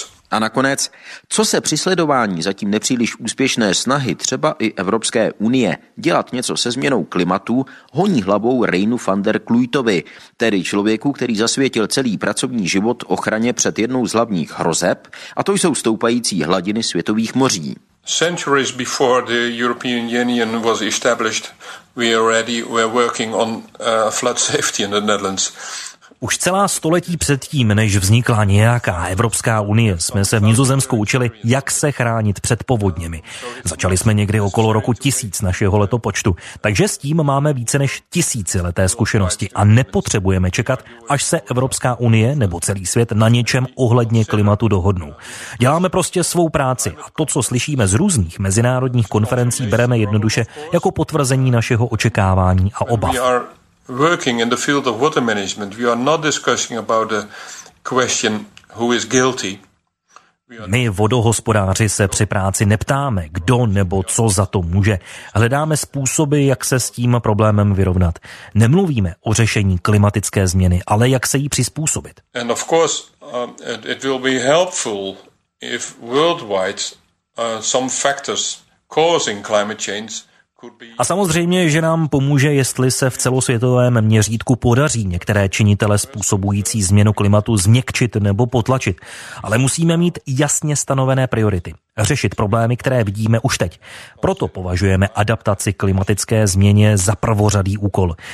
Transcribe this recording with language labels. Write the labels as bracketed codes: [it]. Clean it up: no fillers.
[cs] A nakonec, co se při sledování zatím nepříliš úspěšné snahy třeba i Evropské unie dělat něco se změnou klimatu, honí hlavou Reinu van der Kluytovi, tedy člověku, který zasvětil celý pracovní život ochraně před jednou z hlavních hrozeb, a to jsou stoupající hladiny světových moří. [en] Centuries before the European Union was established, we were working on flood safety in the Netherlands. [cs] Už celá století předtím, než vznikla nějaká Evropská unie, jsme se v Nizozemsku učili, jak se chránit před povodněmi. Začali jsme někdy okolo roku 1000 našeho letopočtu, takže s tím máme více než tisícileté zkušenosti a nepotřebujeme čekat, až se Evropská unie nebo celý svět na něčem ohledně klimatu dohodnou. Děláme prostě svou práci a to, co slyšíme z různých mezinárodních konferencí, bereme jednoduše jako potvrzení našeho očekávání a obav. [en] Working in the field of water management, we are not discussing about the question who is guilty. [cs] My, vodohospodáři, se při práci neptáme, kdo nebo co za to může. Hledáme způsoby, jak se s tím problémem vyrovnat. Nemluvíme o řešení klimatické změny, ale jak se jí přizpůsobit. [en] And of course, it will be helpful if worldwide some factors causing climate change. [cs] A samozřejmě, že nám pomůže, jestli se v celosvětovém měřítku podaří některé činitele způsobující změnu klimatu změkčit nebo potlačit. Ale musíme mít jasně stanovené priority. Řešit problémy, které vidíme už teď. Proto považujeme adaptaci klimatické změně za prvořadý úkol.